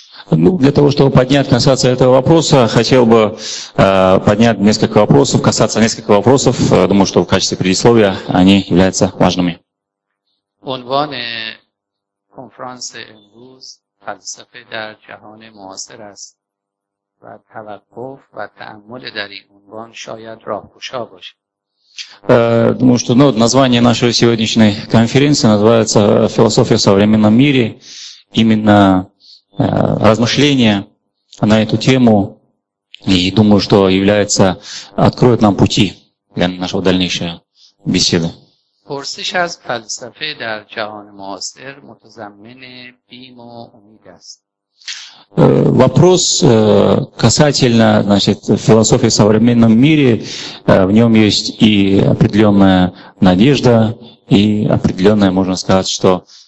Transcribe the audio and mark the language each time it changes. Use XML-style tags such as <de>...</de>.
<ru>для того, чтобы поднять касаться этого вопроса, хотел бы поднять несколько вопросов, касаться нескольких вопросов. Думаю, что в качестве предисловия они являются важными.</ru> <fa>عنوان کنفرانس امروز فلسفه در جهان معاصر است و توقف و تأمل در این عنوان شاید راهگشا باشه.</fa> <ru>Думаю, что название нашей сегодняшней конференции называется «Философия в современном мире». Именно размышления на эту тему, и думаю, что является, откроет нам пути для нашего дальнейшего беседы.</ru> <fa>پرسش از فلسفه در جهان معاصر متضمن بیم و امید است.</fa> <ru>Вопрос касательно, значит, философии в современном мире, в нем есть и определенная надежда, и определенная, можно сказать, что</ru>